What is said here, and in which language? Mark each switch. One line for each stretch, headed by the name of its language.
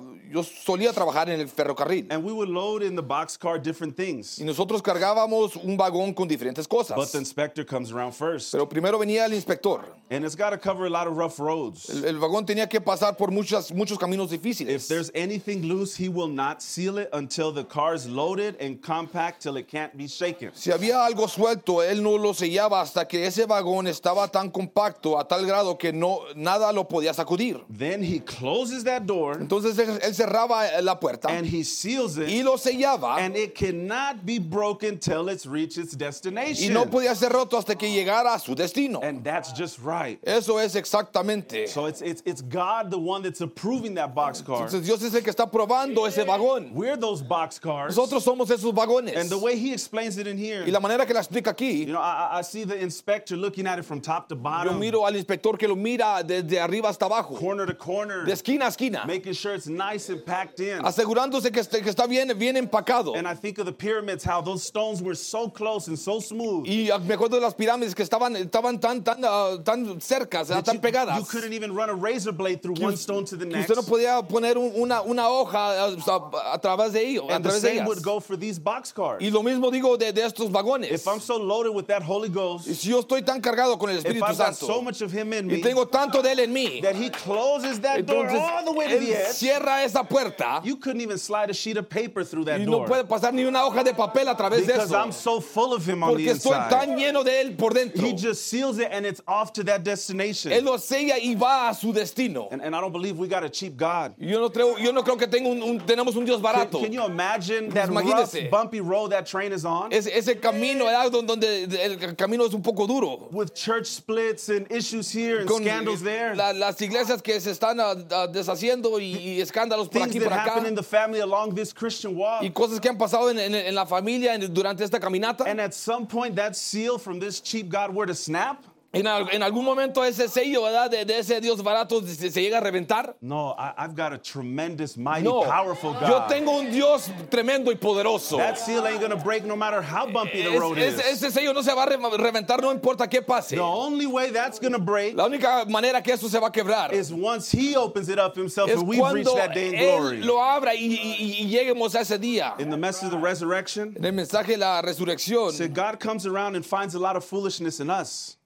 Spanish: Yo solía trabajar en el ferrocarril.
English: And we would load in the boxcar different things.
Spanish: Y nosotros cargábamos un vagón con diferentes cosas.
English: But the inspector comes around first.
Spanish: Pero primero venía el inspector.
English: And it's got to cover a lot of rough roads.
Spanish: El vagón tenía que pasar por muchos caminos difíciles.
English: If there's anything loose, he will not seal it until the car is loaded and compact till it can't be shaken.
Spanish: Si había algo suelto, él no lo sellaba hasta que ese vagón estaba tan compacto pacto a tal grado que no nada lo podía sacudir.
English: Then he closes that door.
Spanish: Entonces él cerraba la puerta.
English: And he seals it.
Spanish: Y lo sellaba.
English: And it cannot be broken till it's reached its destination.
Spanish: Y no podía ser roto hasta que llegara a su destino.
English: And that's just right.
Spanish: Eso es exactamente.
English: So it's God the one that's approving that box car.
Spanish: Entonces Dios es el que está probando ese vagón.
English: We're those box cars.
Spanish: Nosotros somos esos vagones.
English: And the way he explains it in here.
Spanish: Y la manera que la explica aquí.
English: You know, I see the inspector looking at it from top to bottom.
Spanish: Yo miro al inspector que lo mira desde arriba hasta abajo.
English: Corner to corner.
Spanish: De esquina a esquina.
English: Making sure it's nice and packed in.
Spanish: Asegurándose que está bien, bien empacado.
English: And I think of the pyramids, how those stones were so close and so smooth.
Spanish: Y me acuerdo de las pirámides que estaban tan cercas, tan pegadas.
English: You couldn't even run a razor blade through one stone to the next.
Spanish: Usted no podía poner una hoja a través de ellos.
English: And the same would go for these boxcars.
Spanish: Y lo mismo digo de estos vagones.
English: If I'm so loaded with that Holy Ghost,
Spanish: si yo estoy tan cargado con el Espíritu Santo,
English: so much of him in me,
Spanish: y tengo tanto de él en mí,
English: that he closes that
Spanish: entonces,
English: door all the way to the edge,
Spanish: cierra esa puerta,
English: you couldn't even slide a sheet of paper through that
Spanish: y
English: door.
Spanish: No puede pasar ni una hoja de papel a través
English: because
Spanish: de eso,
English: I'm so full of him on
Spanish: porque
English: the inside.
Spanish: Estoy tan lleno de él por dentro.
English: He just seals it and it's off to that destination.
Spanish: Él lo sella y va a su destino.
English: And I don't believe we got a cheap God.
Spanish: Yo no creo que tenemos un Dios barato.
English: Can you imagine that rough, bumpy road that train is on?
Spanish: Ese camino donde el camino es un poco duro.
English: With church splits and issues here and
Spanish: con
English: scandals there.
Spanish: Las iglesias que se están deshaciendo y escándalos por aquí y por acá.
English: Things that happen in the family along this Christian walk.
Spanish: Y cosas que han pasado en la familia durante esta caminata.
English: And at some point that seal from this cheap God were to snap.
Spanish: En algún momento ese sello, ¿verdad? De ese Dios barato se llega a reventar.
English: No, I've got a tremendous, mighty, powerful God.
Spanish: Yo tengo un Dios tremendo y poderoso.
English: That seal ain't gonna break no matter how bumpy the road is.
Spanish: Ese sello no se va a reventar, no importa qué pase.
English: The only way that's gonna break.
Spanish: La única manera que eso se va a quebrar.
English: Is once he opens it up himself and we've reached that day in glory.
Spanish: Es cuando él lo abra y lleguemos a ese día.
English: In the message of the resurrection.
Spanish: En el mensaje de la resurrección.
English: So God comes around and finds a lot of foolishness in us.